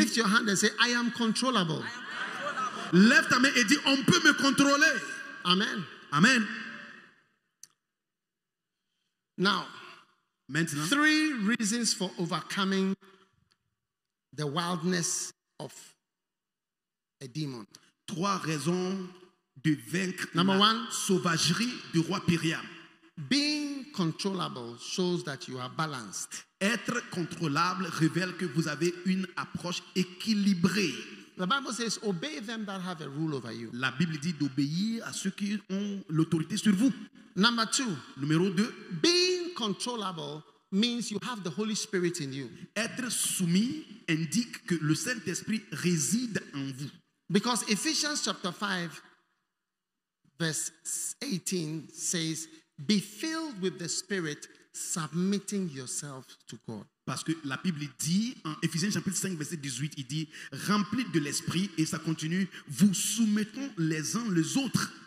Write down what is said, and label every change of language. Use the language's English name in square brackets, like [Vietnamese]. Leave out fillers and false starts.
[English] Lift your hand and say, I am controllable. [French] Lève ta main et dis, on peut me contrôler. Amen. Amen. [English] Now, [French] maintenant, [English] three reasons for overcoming the wildness of a demon. [French] Trois raisons de vaincre [English] Number [French] la [English] one, [French] sauvagerie du roi Piriam. [English] Being controllable shows that you are balanced. [French] Être contrôlable révèle que vous avez une approche équilibrée. [English] The Bible says, obey them that have a rule over you. [French] La Bible dit d'obéir à ceux qui ont l'autorité sur vous. [English] Number two. [French] Numéro deux. [English] Being controllable means you have the Holy Spirit in you. [French] Être soumis indique que le Saint-Esprit réside en vous. [English] Because Ephesians chapter 5, verse 18 says, be filled with the Spirit, submitting yourself to God. [French] Parce que la Bible dit, en Ephésiens chapitre 5, verset 18, il dit, remplis de l'Esprit, et ça continue, vous soumettons les uns les autres.